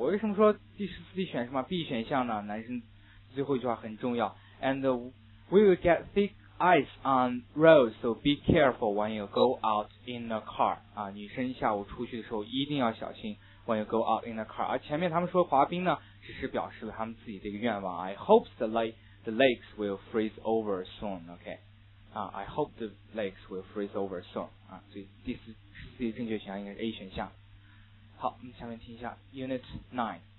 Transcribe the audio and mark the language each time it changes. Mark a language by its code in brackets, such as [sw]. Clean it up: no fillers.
[zh] 我为什么说第十四题选什么 ?B 选项呢，男生最后一句话很重要。 [en] And we will get thick ice on roads, so be careful when you go out in the car. [zh] 啊，女生下午出去的时候一定要小心。 [en] When you go out in the car. [zh] 而前面他们说滑冰呢只是表示了他们自己的一个愿望。 [en] I hope the lakes will freeze over soon. Okay.、I hope the lakes will freeze over soon. [zh] 啊，所以第四题正确选项应该是 A 选项。好，我们下面听一下 Unit 9.